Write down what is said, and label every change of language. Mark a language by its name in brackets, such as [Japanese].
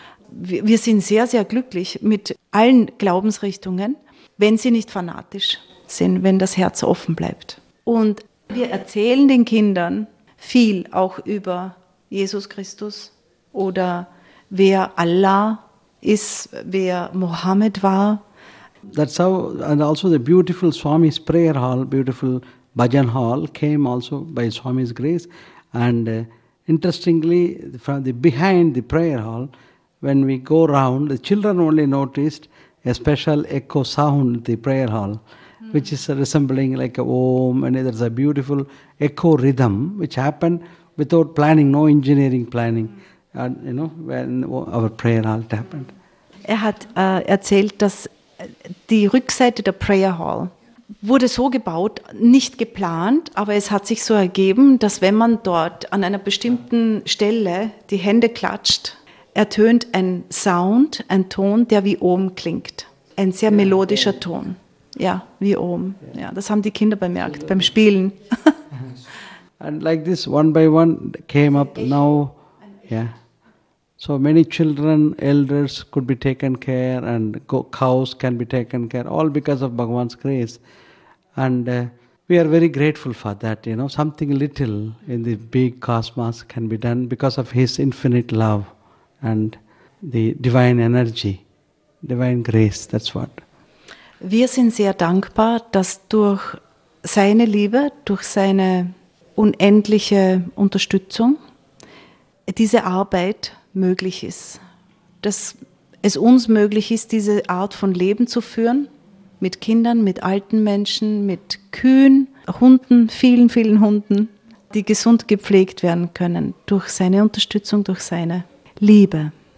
[German] Wir sind sehr, sehr glücklich mit allen Glaubensrichtungen, wenn sie nicht fanatisch sind, wenn das Herz offen bleibt. Und wir erzählen den Kindern viel auch über Jesus Christus oder wer Allah ist, wer Mohammed war. [English] That's how, and also the beautiful Swami's prayer hall, beautiful bhajan hall came also by Swami's grace. And interestingly, from the behind the prayer hall, when we go round, the children only noticed a special echo sound in the prayer hall, which is resembling like a om, and there's a beautiful echo rhythm which happened without planning, no engineering planning, and you know, when our prayer hall happened. [German] Er hat erzählt, dass die Rückseite der Prayer Hall wurde so gebaut, nicht geplant, aber es hat sich so ergeben, dass wenn man dort an einer bestimmten Stelle die Hände klatscht, ertönt ein Sound, ein Ton, der wie om klingt, ein sehr melodischer Ton. Ja, wie oben. Ja, das haben die Kinder bemerkt beim Spielen. [English] And like this, one by one came up now. Yeah. So many children, elders could be taken care, and cows can be taken care, all because of Bhagavan's grace. And we are very grateful for that, you know. Something little in the big cosmos can be done because of His infinite love and the divine energy, divine grace, that's what. [German] Wir sind sehr dankbar, dass durch seine Liebe, durch seine unendliche Unterstützung diese Arbeit möglich ist. Dass es uns möglich ist, diese Art von Leben zu führen, mit Kindern, mit alten Menschen, mit Kühen, Hunden, vielen, vielen Hunden, die gesund gepflegt werden können durch seine Unterstützung, durch seine Liebe.